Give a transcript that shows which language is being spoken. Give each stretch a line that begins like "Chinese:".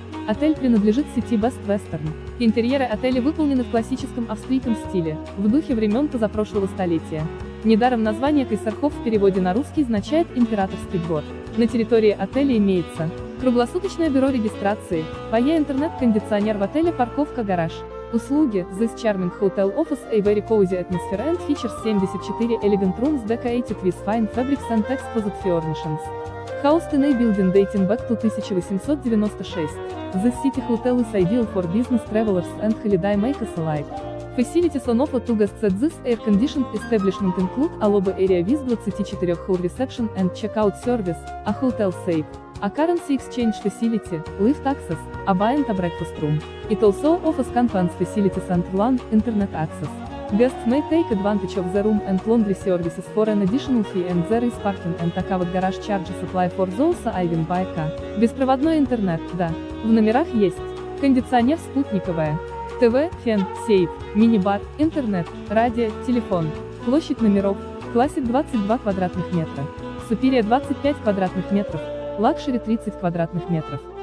Russian: Отель принадлежит сети Best Western. Интерьеры отеля выполнены в классическом австрийском стиле, в духе времен позапрошлого столетия. Недаром название Кайсерхоф в переводе на русский означает «императорский двор». На территории отеля имеется круглосуточное бюро регистрации, фойе, интернет, кондиционер в отеле, парковка, гараж. Услуги:
English: This Charming Hotel offers a very cozy atmosphere and features 74 elegant rooms decorated with fine fabrics and exquisite furnishings. Housed in a building dating back to 1896, this city hotel is ideal for business travelers and holiday makers alike. Facilities on offer to guests at this air-conditioned establishment include a lobby area with 24-hour reception and check-out service, a hotel safe, a currency exchange facility, lift access, a bar and a breakfast room. It also offers conference facilities and LAN internet access. Guests may take advantage of the room and laundry services for an additional fee, and there is parking and a covered garage charges apply for those arriving by car.
Russian: Беспроводной интернет, да. В номерах есть кондиционер спутниковое, ТВ, фен, сейф, мини-бар, интернет, радио, телефон. Площадь номеров: Classic 22 квадратных метра, Superior 25 квадратных метров, Luxury 30 квадратных метров.